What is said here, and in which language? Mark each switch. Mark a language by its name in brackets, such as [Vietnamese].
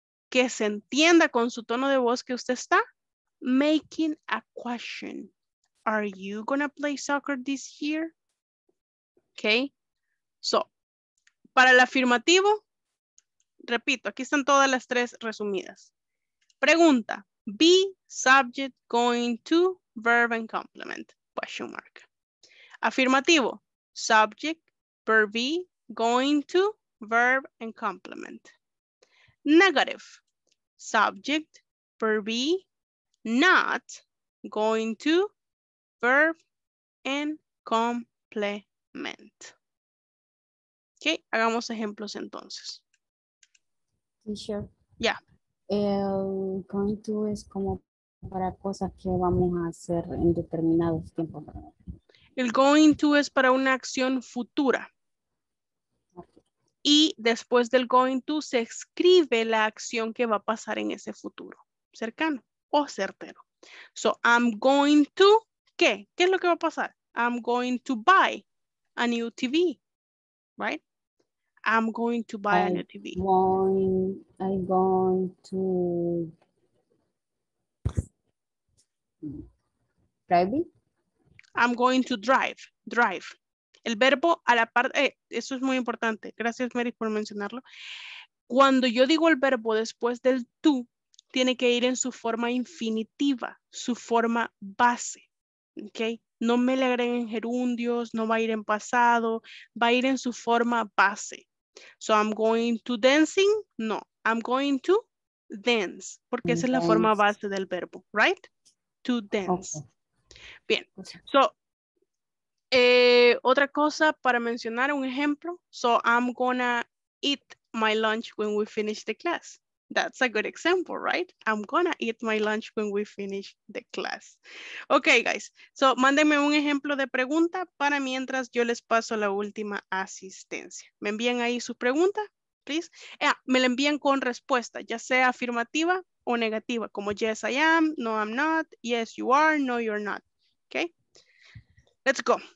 [Spanish] Que se entienda con su tono de voz que usted está [English] making a question. Are you gonna play soccer this year? Okay. [Spanish] So, para el afirmativo, repito, aquí están todas las tres resumidas. [English] Pregunta, be, subject, going to, verb and complement, question mark. Afirmativo, subject, verb be, going to, verb and complement. Negative, subject, verb be, not, going to, verb and complement. [Spanish] Ok, hagamos ejemplos entonces. [English] Sure. Yeah. [Spanish] El going to es como para cosas que vamos a hacer en determinados tiempos. El going to es para una acción futura. Okay. Y después del going to se escribe la acción que va a pasar en ese futuro cercano o certero. So I'm going to, ¿qué? ¿Qué es lo que va a pasar? [English] I'm going to buy a new TV, right? I'm going to buy a new TV. I'm going to drive. I'm going to drive. Drive. [Spanish] El verbo a la par, eso es muy importante. Gracias, Mary, por mencionarlo. Cuando yo digo el verbo después del to, tiene que ir en su forma infinitiva, su forma base. Okay. No me le agreguen gerundios, no va a ir en pasado, va a ir en su forma base. [English] So I'm going to dancing. No, I'm going to dance. [Spanish] Porque esa es la forma base del verbo, right? To dance. Okay. Bien. So, otra cosa para mencionar, un ejemplo. [English] So I'm gonna eat my lunch when we finish the class. That's a good example, right? I'm gonna eat my lunch when we finish the class. Okay, guys. [Spanish] So, mándenme un ejemplo de pregunta para mientras yo les paso la última asistencia. ¿Me envían ahí su pregunta? Please. Me la envían con respuesta, ya sea afirmativa o negativa, como [English] yes, I am, no, I'm not, yes, you are, no, you're not. [Spanish] Okay? Let's go.